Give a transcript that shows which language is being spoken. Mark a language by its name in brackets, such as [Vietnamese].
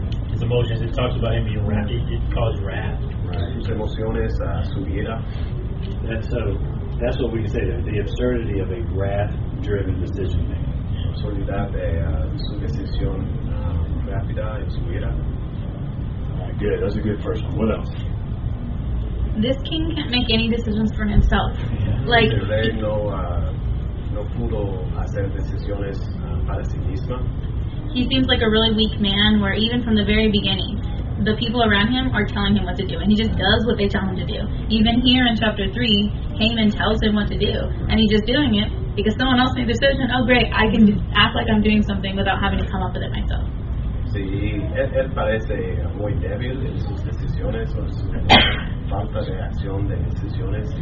[English] His emotions, it talks about him being wrath, it caused wrath. [Spanish] Right. Sus emociones subiera. [English] And so, that's what we can say, the absurdity of a wrath-driven decision making. [Spanish] Absurdidad de su decisión rápida y subiera. [English] Good, that's a good first one. What else? This king can't make any decisions for himself. Yeah. Like, [Spanish] el rey no pudo hacer decisiones para sí misma. [English] He seems like a really weak man, where even from the very beginning, the people around him are telling him what to do, and he just does what they tell him to do. Even here in chapter 3, Haman tells him what to do, and he's just doing it because someone else made the decision. Oh, great, I can act like I'm doing something without having to come up with it myself. [Spanish] Sí, él parece muy débil en sus decisiones o su falta de acción de decisiones.